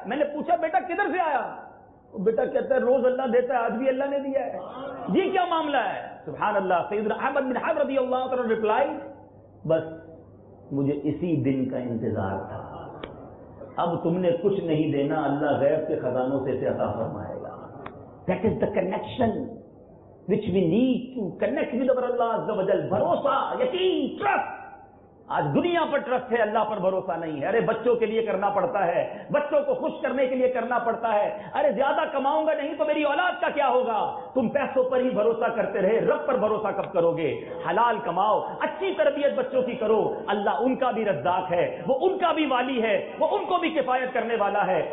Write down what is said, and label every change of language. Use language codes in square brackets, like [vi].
[ur] میں نے پوچھا بیٹا کدھر سے آیا، وہ بیٹا کہتا ہے روز اللہ دیتا ہے آج بھی اللہ نے دیا ہے. یہ کیا معاملہ ہے؟ سبحان اللہ. سیدنا احمد بن حرب رضی اللہ تعالی عنہ ریپلائی، بس مجھے اسی دن کا انتظار تھا، اب تم نے کچھ نہیں دینا، اللہ غیب کے خزانوں سے اسے عطا فرمائے گا. [en] That is the connection which we need to connect with our اللہ عز و جل. [ur] بھروسہ، یقین، ٹرسٹ. آج دنیا پر ٹرسٹ ہے، اللہ پر بھروسہ نہیں ہے. ارے بچوں کے لیے کرنا پڑتا ہے، بچوں کو خوش کرنے کے لیے کرنا پڑتا ہے، ارے زیادہ کماؤں گا نہیں تو میری اولاد کا کیا ہوگا. تم پیسوں پر ہی بھروسہ کرتے رہے، رب پر بھروسہ کب کرو گے؟ حلال کماؤ، اچھی تربیت بچوں کی کرو، اللہ ان کا بھی رزاق ہے، وہ ان کا بھی والی ہے، وہ ان کو بھی کفایت کرنے والا ہے.